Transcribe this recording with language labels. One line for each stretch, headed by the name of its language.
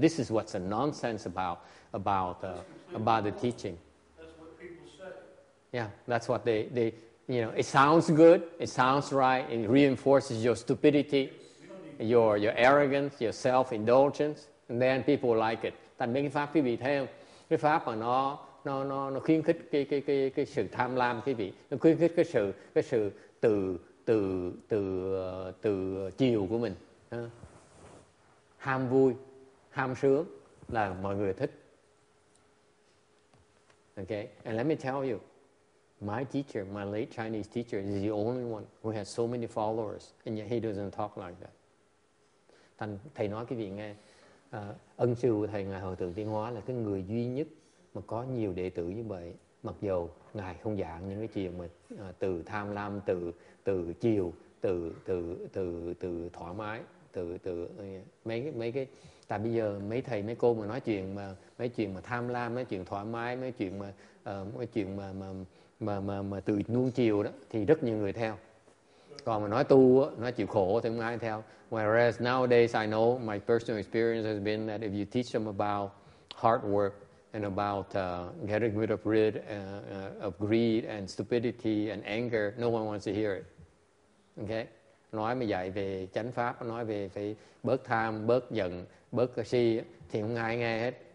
English: This is what's a nonsense about the teaching. That's what people say. Yeah, that's what they you know. It sounds good. It sounds right. It reinforces your stupidity, your arrogance, your self indulgence, and then people like it.
Vietnamese: Tại mấy cái pháp quý vị theo, cái pháp mà nó khuyến khích cái sự tham lam quý vị, nó khuyến khích cái sự từ từ từ từ chiều của mình, ham vui, ham sướng là mọi người thích.
English: Okay, and let me tell you, my teacher, my late Chinese teacher, is the only one who has so many followers, and yet he doesn't talk like that.
Vietnamese: Thầy nói cái vị nghe, ân sư của thầy ngài Hòa Thượng Tiên Hóa là cái người duy nhất mà có nhiều đệ tử như vậy, mặc dù ngài không giảng những cái chuyện mà từ tham lam, từ chiều, từ thoải mái, từ mấy cái tại bây giờ mấy thầy mấy cô mà nói chuyện mà mấy chuyện mà tham lam, mấy chuyện thoải mái, mấy chuyện mà từ nuông chiều đó thì rất nhiều người theo. Còn mà nói tu á, nó chịu khổ thì không ai theo.
English: Whereas nowadays I know my personal experience has been that if you teach them about hard work and about getting rid of greed and stupidity and anger, no one wants to hear it. Okay?
Vietnamese: Nói mà dạy về chánh pháp, nói về phải bớt tham, bớt giận, bớt si thì không ai nghe hết.